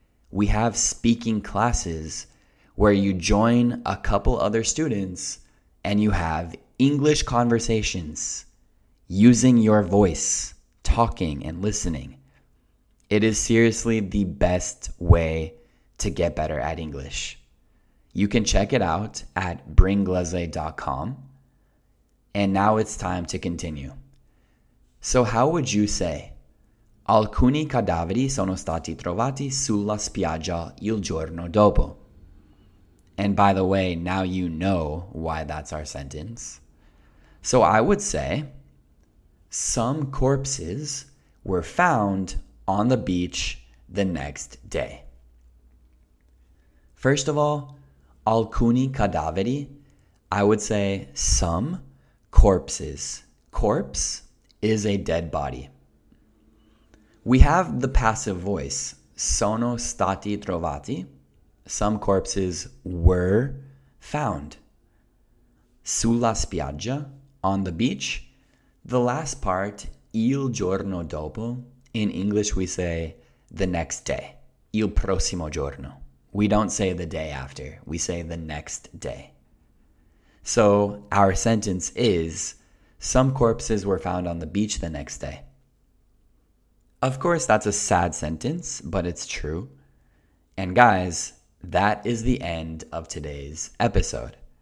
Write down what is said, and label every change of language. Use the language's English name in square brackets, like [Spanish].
[English] We have speaking classes where you join a couple other students and you have English conversations using your voice, talking and listening. It is seriously the best way to get better at English. You can check it out at bringlese.com. And now it's time to continue. So how would you say, [Italian] alcuni cadaveri sono stati trovati sulla spiaggia il giorno dopo? [English] And by the way, now you know why that's our sentence. So I would say, some corpses were found on the beach the next day. First of all, [Italian] alcuni cadaveri, [English] I would say some corpses. Corpse is a dead body. We have the passive voice, [Italian] sono stati trovati. [English] Some corpses were found. [Italian] Sulla spiaggia, [English] on the beach. The last part, [Italian] il giorno dopo, [English] in English we say the next day, [Italian] il prossimo giorno. [English] We don't say the day after, we say the next day. So our sentence is, some corpses were found on the beach the next day. Of course, that's a sad sentence, but it's true. And guys, that is the end of today's episode.